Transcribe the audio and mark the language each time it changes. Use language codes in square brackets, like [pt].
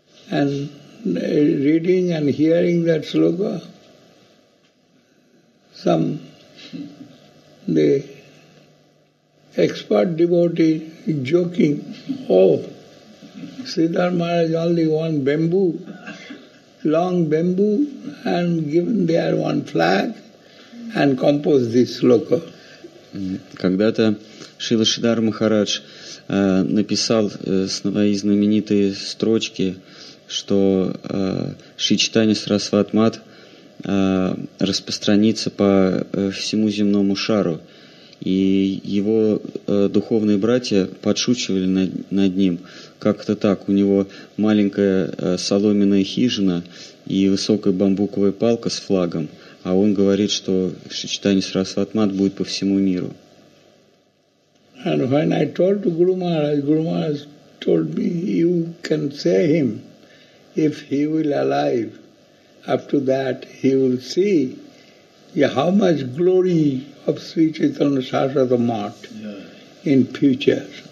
[en] And reading and hearing that sloka, the expert devotee joking, oh, Sridhar Maharaj only one bamboo, long bamboo, and given there one flag and composed this sloka. [ru] Когда-то Шрила Шридхар Махарадж написал свои знаменитые строчки, что Шри Чайтанья Сарасвати Мат распространится по всему земному шару. И его духовные братья подшучивали над ним. Как это так? У него маленькая соломенная хижина и высокая бамбуковая палка с флагом, а он говорит, что Шри Чайтанья Сарасвати Мат будет по всему миру. [en] And when I told to Guru Maharaj, Guru Maharaj told me, you can say him, if he will alive, after that he will see how much glory of Sri Chaitanya Sarasvati Mat in future.